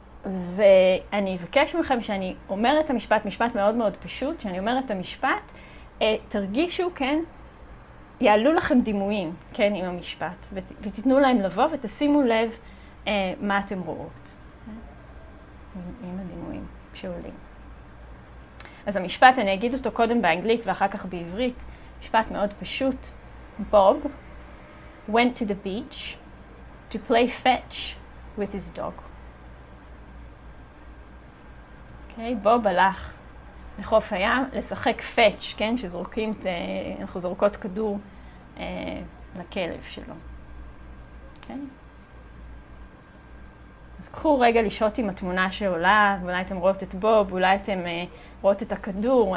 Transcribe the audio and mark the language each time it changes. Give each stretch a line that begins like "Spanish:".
Hebrew: ואני אבקש מכם שאני אומרת את המשפט, משפט מאוד מאוד פשוט, שאני אומרת את המשפט, תרגישו, כן, יעלו לכם דימויים, כן, עם המשפט, ותתנו להם לבוא ותשימו לב מה אתם רואות, כן? עם הדימויים שעולים. אז המשפט, אני אגיד אותו קודם באנגלית ואחר כך בעברית, משפט מאוד פשוט.
English: Bob went to the beach to play fetch with his dog.
Hebrew: Okay, Bob הלך לחוף הים לשחק fetch, כן, שזרוקים את, אנחנו זרוקות כדור לכלב שלו. Okay. אז קחו רגע לשאות עם התמונה שעולה, אולי אתם רואות את בוב, אולי אתם רואות את הכדור.